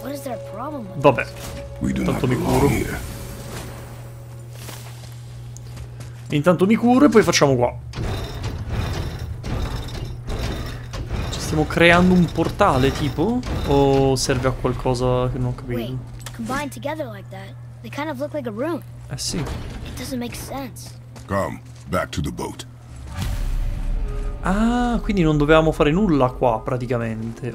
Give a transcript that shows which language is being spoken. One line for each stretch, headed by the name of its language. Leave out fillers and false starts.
Italian: Vabbè, intanto mi curo. Intanto mi curo e poi facciamo qua. Ci stiamo creando un portale, tipo? O serve a qualcosa che non ho capito?
English: Combined together like that, they kind of look like a room.
Italian: Eh sì.
English: It doesn't make sense. Come, back to the boat.
Italian: Ah, quindi non dovevamo fare nulla qua, praticamente.